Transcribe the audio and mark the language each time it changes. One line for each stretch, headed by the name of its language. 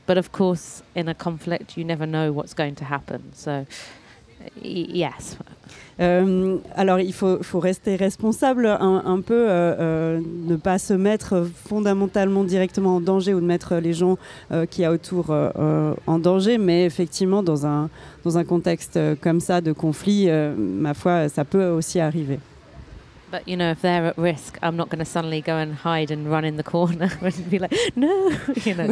English: But of course, in a conflict, you never know what's going to happen. So, yes.
French: Alors, il faut rester responsable un peu, ne pas se mettre fondamentalement directement en danger ou de mettre les gens qu'il y a autour en danger. Mais effectivement, dans un contexte comme ça de conflit, ma foi, ça peut aussi arriver.
English: But you know, if they're at risk, I'm not going to suddenly go and hide and run in the corner and be like, no, you know.